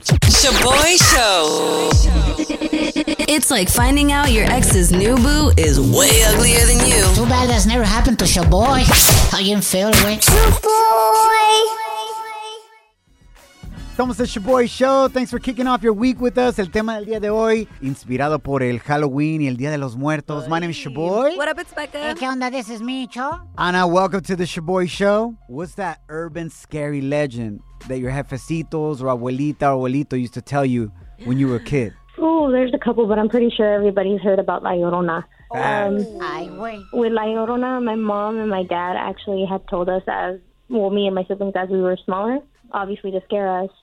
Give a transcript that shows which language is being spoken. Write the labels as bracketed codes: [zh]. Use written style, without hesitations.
[en] Shaboy Show. It's like finding out your ex's new boo is way uglier than you. Too bad that's never happened to Shaboy. How you feel, boy? Shaboy. Somos the Shaboy Show. Thanks for kicking off your week with us. [es] El tema del día de hoy, inspirado por el Halloween y el Día de los Muertos. [en] Oy. My name is Shaboy. What up, it's Becca. Hey, [es] ¿qué onda? [en] This is Micho. Ana, welcome to the Shaboy Show. What's that urban scary legend that your jefecitos or abuelita or abuelito used to tell you when you were a kid? Oh, there's a couple, but I'm pretty sure everybody's heard about La Llorona. With La Llorona, my mom and my dad actually had told us me and my siblings as we were smaller, obviously to scare us.